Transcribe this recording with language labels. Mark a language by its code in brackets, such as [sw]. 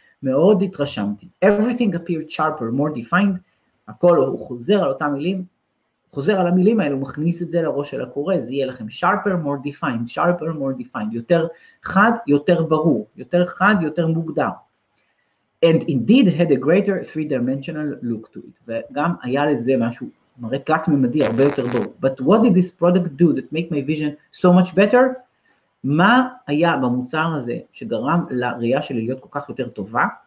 [he] מאוד התרשמתי. [en] Everything appeared sharper, more defined. [he] הכל הוא חוזר על אותם מילים, חוזר על המילים האלה, הוא מכניס את זה לראש של הקורא, זה יהיה לכם [en] sharper, more defined, sharper, more defined, [he] יותר חד, יותר ברור, יותר חד, יותר מוגדר. [en] And indeed had a greater three-dimensional look to it. [he] וגם היה לזה משהו, מראה תלת ממדי, הרבה יותר ברור. [en] But what did this product do that make my vision so much better? [he] מה היה במוצר הזה שגרם לראייה שלי להיות כל כך יותר טובה?